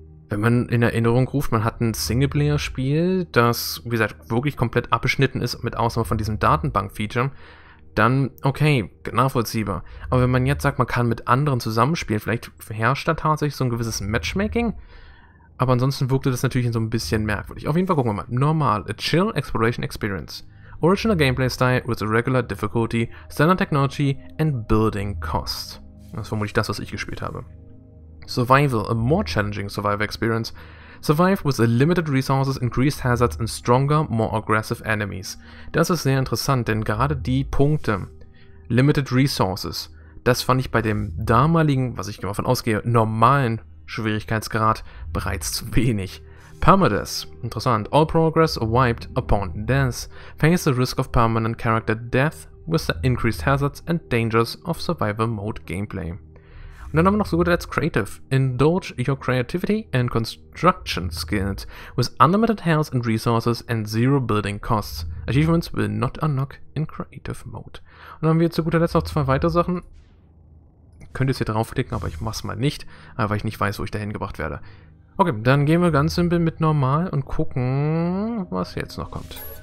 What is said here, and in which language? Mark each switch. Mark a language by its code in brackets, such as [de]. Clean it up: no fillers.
[de] Wenn man in Erinnerung ruft, man hat ein Singleplayer-Spiel, das, wie gesagt, wirklich komplett abgeschnitten ist, mit Ausnahme von diesem Datenbank-Feature, dann, okay, nachvollziehbar. Aber wenn man jetzt sagt, man kann mit anderen zusammenspielen, vielleicht herrscht da tatsächlich so ein gewisses Matchmaking, aber ansonsten wirkte das natürlich so ein bisschen merkwürdig. Auf jeden Fall gucken wir mal. [en] Normal, a chill exploration experience. Original Gameplay Style with a regular difficulty, standard technology and building cost. [de] Das ist vermutlich das, was ich gespielt habe. [en] Survival, a more challenging survival experience. Survive with a limited resources, increased hazards and stronger, more aggressive enemies. [de] Das ist sehr interessant, denn gerade die Punkte, limited resources, das fand ich bei dem damaligen, was ich davon ausgehe, normalen Schwierigkeitsgrad bereits zu wenig. [en] Permadeath. [de] Interessant. [en] All progress wiped upon death. Face the risk of permanent character death with the increased hazards and dangers of survival mode gameplay. [de] Und dann haben wir noch so gut als creative. [en] Indulge your creativity and construction skills with unlimited health and resources and zero building costs. Achievements will not unlock in creative mode. [de] Und dann haben wir zu guter Letzt noch zwei weitere Sachen. Ich könnte jetzt hier draufklicken, aber ich mach's mal nicht, weil ich nicht weiß, wo ich dahin gebracht werde. Okay, dann gehen wir ganz simpel mit normal und gucken, was jetzt noch kommt.